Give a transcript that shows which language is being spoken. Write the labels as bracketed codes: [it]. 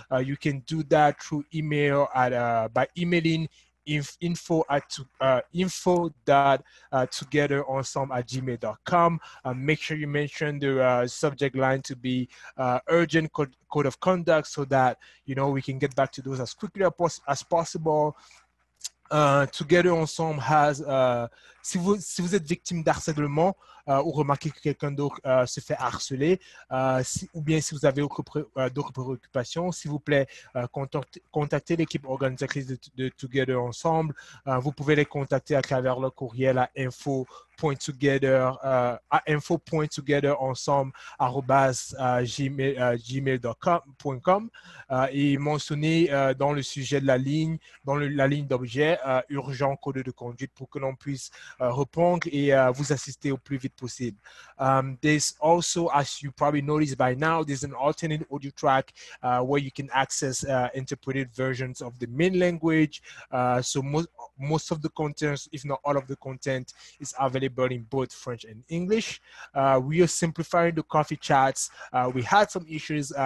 [en] You can do that through email by emailing info@togetherensemble@gmail.com. Make sure you mention the subject line to be urgent code of conduct, so that, you know, we can get back to those as quickly as possible. [fr] Together Ensemble has, si vous êtes victime d'harcèlement, ou remarquez que quelqu'un d'autre se fait harceler, ou bien si vous avez d'autres préoccupations, s'il vous plaît, contactez l'équipe organisatrice de Together Ensemble. Vous pouvez les contacter à travers leur courriel à info.togetherensemble@gmail.com et mentionner dans le sujet de la ligne d'objet urgent code de conduite, pour que l'on puisse répondre et vous assister au plus vite possible. [en] There's also, as you probably noticed by now, there's an alternate audio track where you can access interpreted versions of the main language. So most of the content, if not all of the content, is available in both French and English. We are simplifying the coffee chats. We had some issues.